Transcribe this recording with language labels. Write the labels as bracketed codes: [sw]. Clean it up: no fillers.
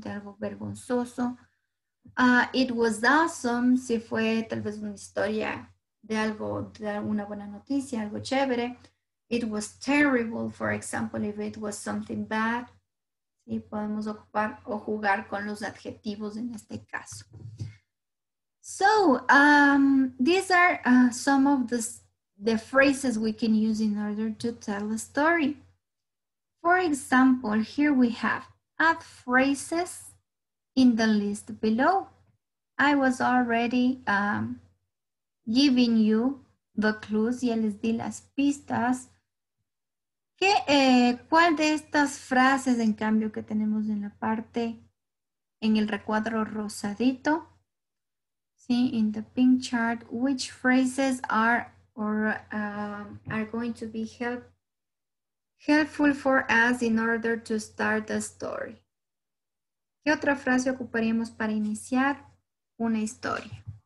[es] De algo vergonzoso. [en] It was awesome, [es] si fue tal vez una historia de algo, de alguna buena noticia, algo chévere. [en] It was terrible, for example, if it was something bad. [es] Sí, podemos ocupar o jugar con los adjetivos en este caso. [en] So, these are some of the phrases we can use in order to tell a story. For example, here we have add phrases in the list below. I was already giving you the clues. [es] Ya les di las pistas. ¿Qué, cuál de estas frases, en cambio, que tenemos en la parte, en el recuadro rosadito? ¿Sí? [en] In the pink chart, which phrases are or are going to be helpful for us in order to start the story. [es] ¿Qué otra frase ocuparíamos para iniciar una historia?